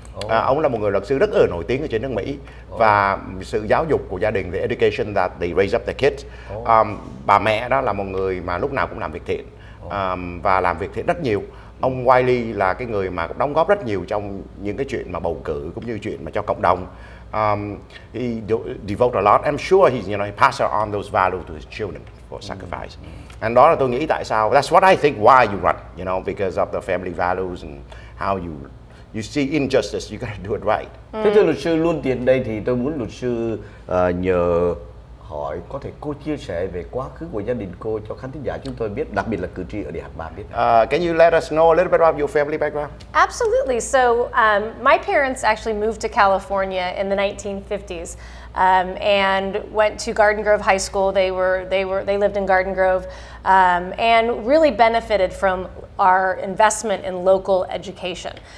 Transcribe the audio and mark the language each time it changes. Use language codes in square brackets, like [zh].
[vi] Ông là một người luật sư rất là nổi tiếng ở trên nước Mỹ. Và sự giáo dục của gia đình, [en] the education that they raise up their kids. [vi] Bà mẹ đó là một người mà lúc nào cũng làm việc thiện. Và làm việc thiện rất nhiều. Ông Wiley là cái người mà cũng đóng góp rất nhiều trong những cái chuyện mà bầu cử cũng như chuyện mà cho cộng đồng. [en] He devote a lot. I'm sure he's, you know, he passed on those values to his children for sacrifice. [vi] And đó là tôi nghĩ tại sao. [en] That's what I think why you run, you know, because of the family values and how you see injustice, you gotta do it right. [vi] Thế thưa luật sư, luôn tiện đây thì tôi muốn luật sư nhờ hỏi, có thể cô chia sẻ về quá khứ của gia đình cô cho khán thính giả chúng tôi biết, đặc biệt là cử tri ở địa bàn biết. [en] Can you let us know a little bit about your family background? Absolutely. So my parents actually moved to California in the 1950s and went to Garden Grove High School. They lived in Garden Grove and really benefited from our investment in local education.